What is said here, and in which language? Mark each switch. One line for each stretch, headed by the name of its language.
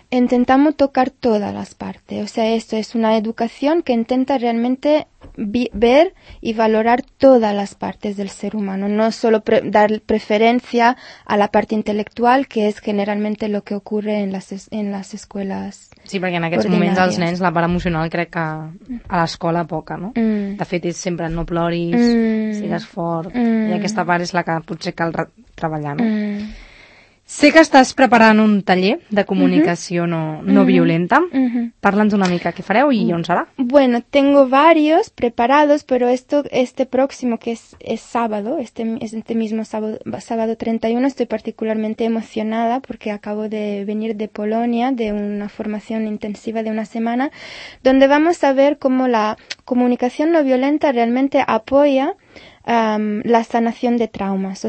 Spanish: Intentamos tocar todas las partes. O sea, esto es una educación que intenta realmente ver y valorar todas las partes del ser humano. No solo dar preferencia a la parte intelectual, que es generalmente lo que ocurre en las escuelas.
Catalan: Sí, perquè en aquests moments els nens, la part emocional crec que a l'escola poca, no? De fet, és sempre no ploris, sigues fort. I aquesta part és la que potser cal treballar, no? Sé que estàs preparant un taller de comunicació no violenta. Parla'ns una mica què fareu i on serà.
Spanish: Bueno, tengo varios preparados, pero este próximo, que es sábado, este mismo sábado 31, estoy particularmente emocionada porque acabo de venir de Polonia, de una formación intensiva de una semana, donde vamos a ver cómo la comunicación no violenta realmente apoya la sanación de traumas.